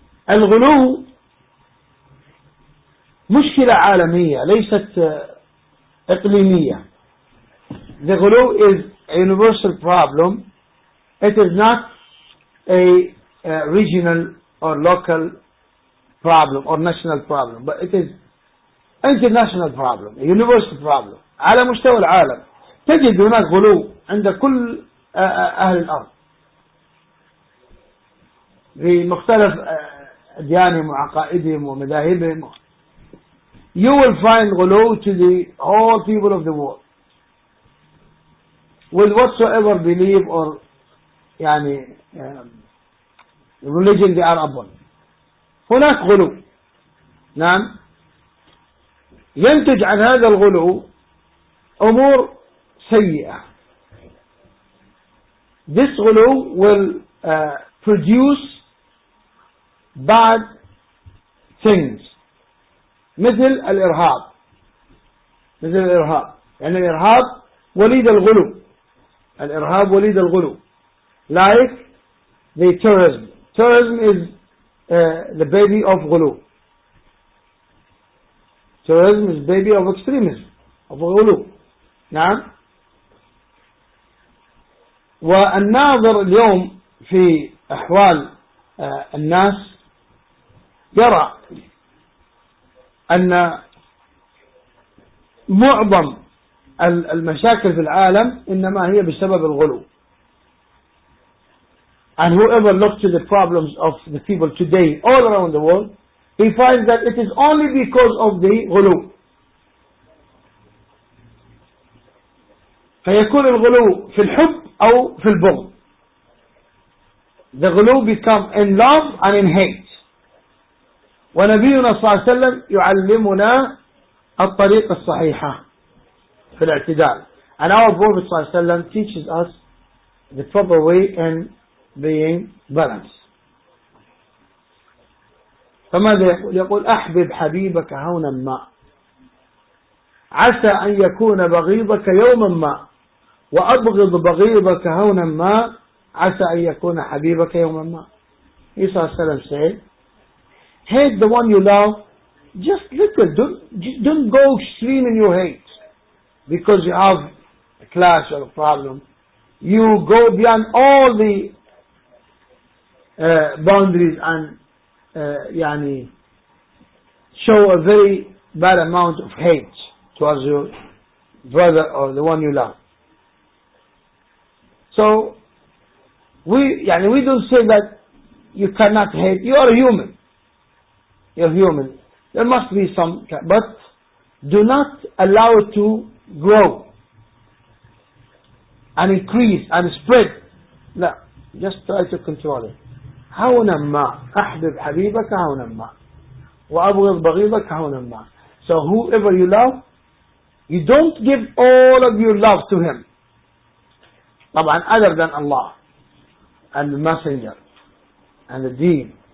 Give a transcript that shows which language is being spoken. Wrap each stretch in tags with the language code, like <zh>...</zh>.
<ar>الغلو مشكلة عالمية ليست إقليمية.</ar> <en>The غلو is a universal problem. It is not a regional or local problem or national problem, but it is international problem, a universal problem.</en> <ar>على مستوى العالم تجد هناك غلو عند كل أهل الأرض في مختلف أديانهم وعقائدهم ومذاهبهم.</ar> <en>You will find غلو to the all people of the world with whatsoever belief or</en> <ar>يعني</ar> <en>religion they are upon.</en> <ar>هناك غلو. نعم, ينتج عن هذا الغلو أمور سيئة.</ar> <en>This غلو will produce bad things.</en> <ar>مثل الإرهاب. مثل الإرهاب. يعني الإرهاب وليد الغلو. الإرهاب وليد الغلو.</ar> <en>Like the terrorism. Terrorism is the baby of غلو. Terrorism is baby of extremism, of غلو.</en> <ar>نعم. والناظر اليوم في أحوال الناس يرى أن معظم المشاكل في العالم إنما هي بسبب الغلو.</ar> <en>And whoever looks to the problems of the people today all around the world, he finds that it is only because of the غلو.</en> <ar>فيكون الغلو في الحب أو في البغض.</ar> <en>The غلو become in love and in hate.</en> <ar>ونبينا صلى الله عليه وسلم يعلمنا الطريق الصحيحة في الاعتدال.</ar> <en>And our Prophet</en> <ar>صلى الله عليه وسلم</ar> <en>teaches us the proper way in being balanced.</en> <ar>فماذا يقول؟ يقول أحبب حبيبك هونا ما عسى أن يكون بغيضك يوما ما وأبغض بغيضك هونا ما عسى أن يكون حبيبك يوما ما. يسوع صلى الله عليه وسلم</ar> <en>hate the one you love just little, don't go extreme in your hate because you have a clash or a problem. You go beyond all the boundaries and</en> <ar>يعني</ar> <en>show a very bad amount of hate towards your brother or the one you love. So we don't say that you cannot hate. You are human. You're human. There must be some, but do not allow it to grow and increase and spread. No, just try to control it.</en> <ar>هونا ما أحبب حبيبك هونا ما وأبغض بغيضك هونا ما.</ar> <en>So whoever you love, you don't give all of your love to him.</en> <ar>طبعا</ar> <en>other than Allah and the Messenger and the Deen.</en>